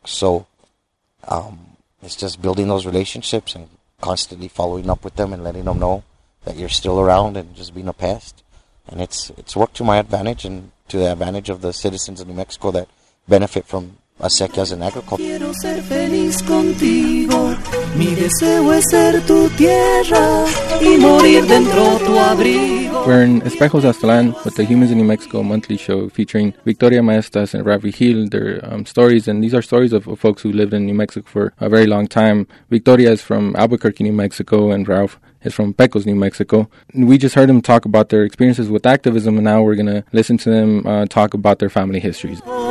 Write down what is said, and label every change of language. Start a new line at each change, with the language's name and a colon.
English: So it's just building those relationships and constantly following up with them and letting them know that you're still around and just being a pest. And it's worked to my advantage and to the advantage of the citizens of New Mexico that benefit from acequias and agriculture.
Spanish: Quiero ser feliz contigo. Mi deseo es ser tu tierra y morir dentro tu abrigo.
English: We're in Espejos Aztlán with the Humans in New Mexico monthly show featuring Victoria Maestas and Ravi Hill. Their stories, and these are stories of folks who lived in New Mexico for a very long time. Victoria is from Albuquerque, New Mexico, and Ralph is from Pecos, New Mexico. We just heard them talk about their experiences with activism, and now we're going to listen to them talk about their family histories.